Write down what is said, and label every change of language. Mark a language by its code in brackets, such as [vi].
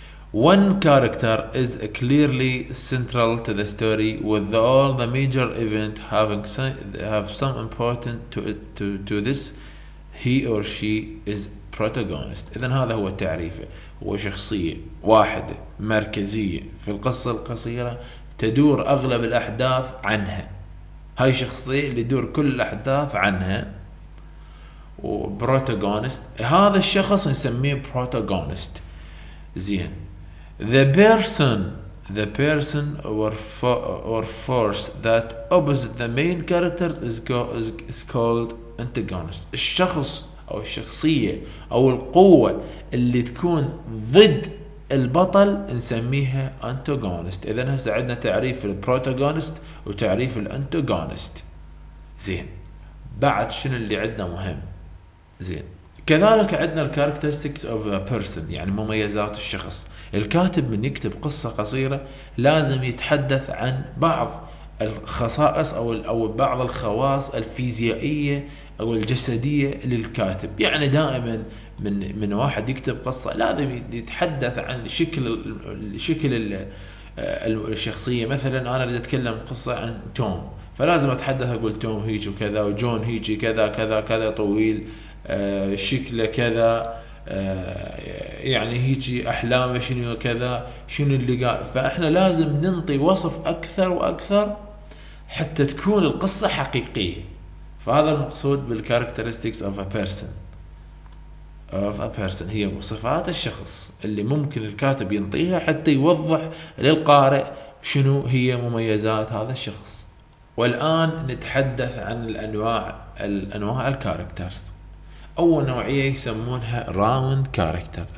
[en] One character is clearly central to the story, with all the major event having some important to this, he or she is protagonist. [ar] إذن هذا هو تعريفه، هو شخصية واحدة مركزية في القصة القصيرة تدور أغلب الأحداث عنها، هاي شخصية اللي تدور كل الأحداث عنها. وبروتاغونست هذا الشخص نسميه بروتاغونست. [en] زين، the person or force that opposite the main character is called antagonist. [ar] الشخص أو الشخصية أو القوة اللي تكون ضد البطل نسميها antagonist. إذن هسه عندنا تعريف البروتاغونست وتعريف الانتاغونست. زين، بعد شنو اللي عندنا مهم؟ زين، كذلك عندنا [en] characteristics of a person، [ar] يعني مميزات الشخص. الكاتب من يكتب قصة قصيرة لازم يتحدث عن بعض الخصائص أو بعض الخواص الفيزيائية أو الجسدية للكاتب. يعني دائما من واحد يكتب قصة لازم يتحدث عن شكل الشخصية. مثلا أنا اريد أتكلم قصة عن توم، فلازم أتحدث أقول توم هيج وكذا، وجون هيج كذا كذا كذا، طويل شكله كذا، يعني هيجي أحلامه شنو كذا، شنو اللي قال. فإحنا لازم ننطي وصف أكثر وأكثر حتى تكون القصة حقيقية. فهذا المقصود بال [en] characteristics of a person. of a person [ar] هي صفات الشخص اللي ممكن الكاتب ينطيها حتى يوضح للقارئ شنو هي مميزات هذا الشخص. والآن نتحدث عن الأنواع الcharacters. أول نوعية يسمونها round character.